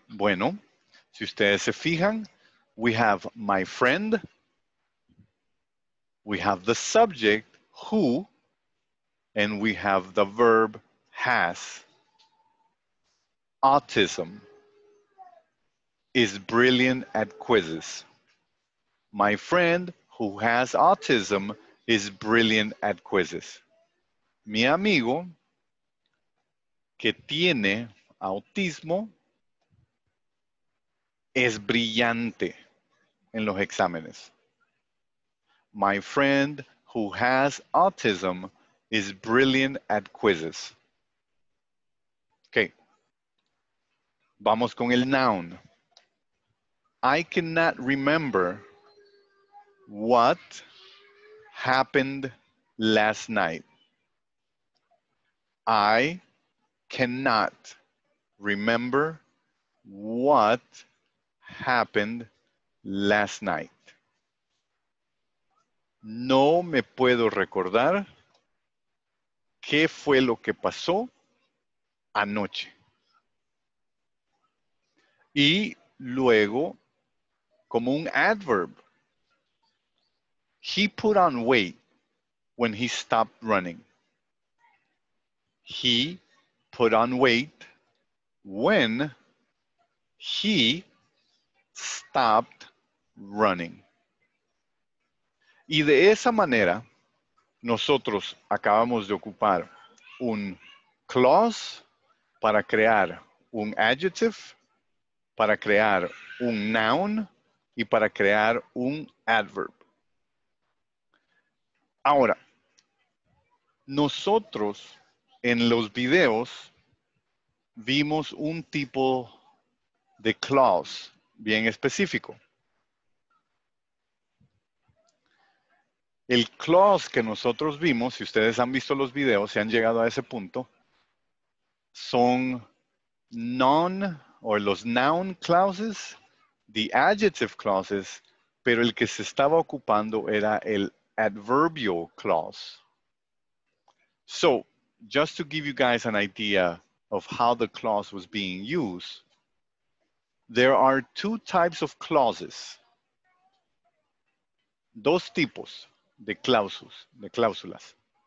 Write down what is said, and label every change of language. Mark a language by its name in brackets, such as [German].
[Spanish] Bueno, si ustedes se fijan, [English] we have my friend, we have the subject, who, and we have the verb, has. Autism is brilliant at quizzes. My friend who has autism is brilliant at quizzes. [Spanish] Mi amigo que tiene autismo es brillante en los exámenes. [English] My friend who has autism is brilliant at quizzes. [Spanish] Okay. Vamos con el noun. [English] I cannot remember what happened last night. I cannot remember what happened last night. [Spanish] No me puedo recordar qué fue lo que pasó anoche. Y luego, como un adverb, [English] he put on weight when he stopped running. He put on weight when he stopped running. [Spanish] Y de esa manera, nosotros acabamos de ocupar un clause para crear un adjective, para crear un noun y para crear un adverb. Ahora, nosotros en los videos vimos un tipo de clause bien específico. El clause que nosotros vimos, si ustedes han visto los videos y han llegado a ese punto, son non o los noun clauses, [English] the adjective clauses, [Spanish] pero el que se estaba ocupando era el adverbial clause. [English] So, just to give you guys an idea of how the clause was being used, there are two types of clauses. [Spanish] Dos tipos de clausus, de cláusulas.